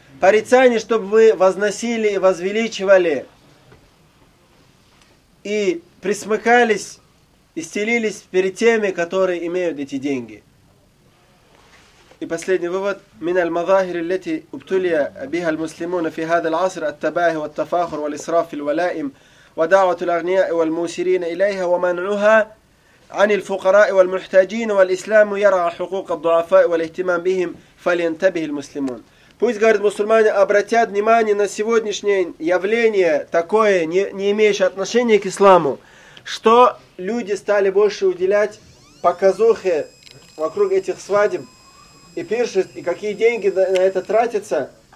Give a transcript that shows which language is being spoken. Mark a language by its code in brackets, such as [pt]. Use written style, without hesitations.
[ru] Порицание, чтобы вы возносили и возвеличивали и присмыкались и стелились перед теми, которые имеют эти деньги. И последний вывод. [ar] Мин аль мазахир иллати убтулия биха аль муслимуна фи хаза аль аср ат табахи ват тафахур вал исраф иль валяим. ودعوة الأغنياء والموسرين إليها ومنعها عن الفقراء والمحتاجين والإسلام يرعى حقوق الضعفاء والاهتمام بهم فلينتبه المسلمون. [ru] Пусть, говорит, мусульмане обратят внимание на сегодняшнее явление такое, не имеющее отношения к исламу, что люди стали больше уделять показухе вокруг этих свадеб и пиршеств, и какие деньги на это тратятся.